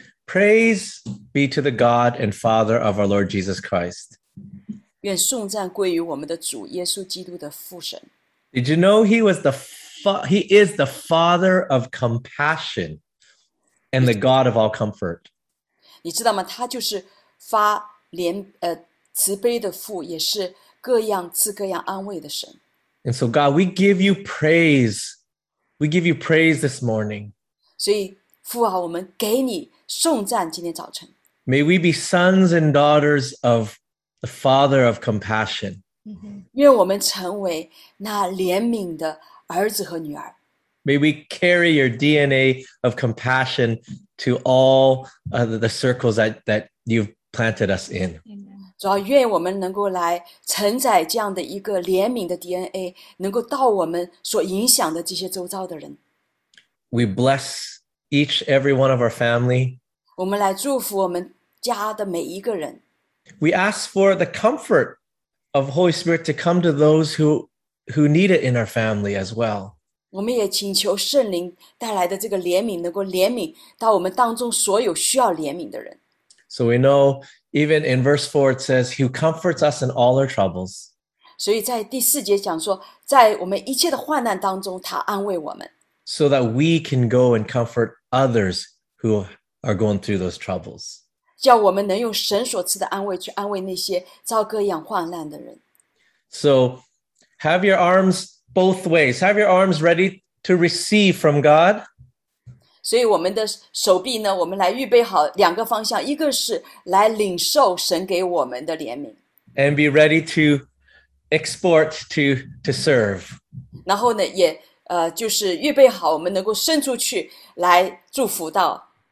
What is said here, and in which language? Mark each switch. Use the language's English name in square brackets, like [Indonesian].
[English] Praise be to the God and Father of our Lord Jesus Christ. [Chinese] 愿颂赞归于我们的主耶稣基督的父神。 [English] Did you know he is the Father of compassion and the God of all comfort? [Chinese] 你知道吗？他就是发怜慈悲的父，也是各样赐各样安慰的神。 [English] And so, God, we give you praise. We give you praise this morning. [Chinese] 所以，父啊，我们给你颂赞。今天早晨 [English] ，May we be sons and daughters of the Father of compassion. [Chinese] 愿我们成为那怜悯的儿子和女儿。 [English] May we carry your DNA of compassion to all the circles that you've planted us in. [Chinese] 主要愿我们能够来承载这样的一个怜悯的 DNA, 能够到我们所影响的这些周遭的人。 [English] We bless each every one of our family. [Chinese] 我们来祝福我们家的每一个人。 [English] We ask for the comfort of Holy Spirit to come to those who need it in our family as well. [Chinese] 我们也请求圣灵带来的这个怜悯能够怜悯到我们当中所有需要怜悯的人。 [English] So we know, even in verse 4, it says, He comforts us in all our troubles. [Chinese] 所以在第四节讲说，在我们一切的患难当中，他安慰我们。 [English] So that we can go and comfort others who are going through those troubles. [Chinese] 叫我们能用神所赐的安慰去安慰那些遭各样患难的人。 [English] So have your arms... Both ways. Have your arms ready to receive from God. [Chinese] 所以我们的手臂呢，我们来预备好两个方向，一个是来领受神给我们的怜悯。 [English] And be ready to export to serve. [Chinese] 然后呢，也就是预备好我们能够伸出去来祝福到。